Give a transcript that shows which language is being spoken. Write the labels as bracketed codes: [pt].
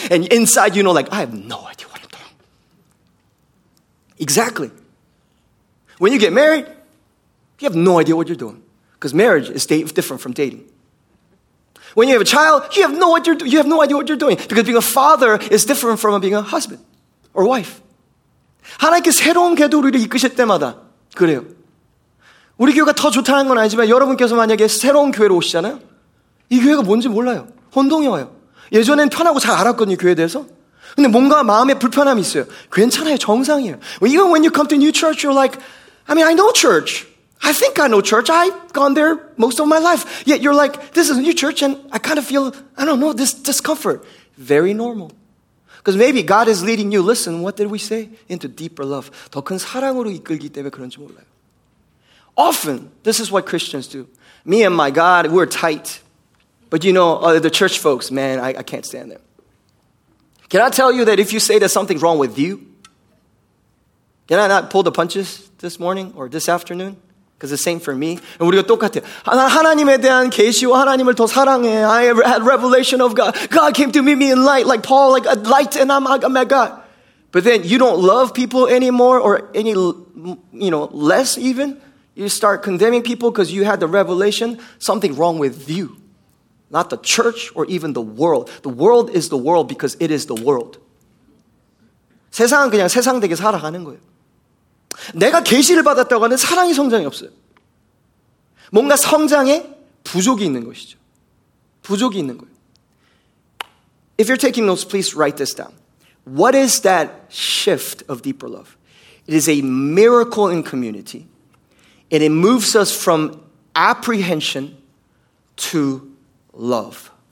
[en] And inside, you know, like, I have no idea what I'm doing. Exactly. When you get married, you have no idea what you're doing, because marriage is different from dating. When you have a child, you have no idea what you're doing, because being a father is different from being a husband or wife. [ko] 하나님께 새로운 궤도 우리를 이끄실 때마다 그래요. 우리 교회가 더 좋다는 건 아니지만 여러분께서 만약에 새로운 교회로 오시잖아요. 이 교회가 뭔지 몰라요. 혼동이 와요. 예전엔 편하고 잘 알았거든요, 교회에 대해서. 근데 뭔가 마음에 불편함이 있어요. 괜찮아요. 정상이에요. [en] Even when you come to a new church, you're like, I mean, I know church. I think I know church. I've gone there most of my life. Yet you're like, this is a new church and I kind of feel, I don't know, this discomfort. Very normal. Because maybe God is leading you, listen, what did we say? Into deeper love. [ko] 더 큰 사랑으로 이끌기 때문에 그런지 몰라요. [en] Often, this is what Christians do. Me and my God, we're tight. But you know, the church folks, man, I can't stand them. Can I tell you that if you say that something's wrong with you, can I not pull the punches this morning or this afternoon? Because the same for me. And [ko] 우리가 똑같아요. 하나님에 대한 계시와 하나님을 더 사랑해. [en] I have had revelation of God. God came to meet me in light, like Paul, like a light, and I'm at God. But then you don't love people anymore or any, you know, less even. You start condemning people because you had the revelation. Something wrong with you. Not the church or even the world. The world is the world because it is the world. [ko] 세상은 그냥 세상되게 살아가는 거예요. 내가 계시를 받았다고 하는 사랑이 성장이 없어요. 뭔가 성장에 부족이 있는 것이죠. 부족이 있는 거예요. [en] If you're taking notes, please write this down. What is that shift of deeper love? It is a miracle in community. And it moves us from apprehension to love.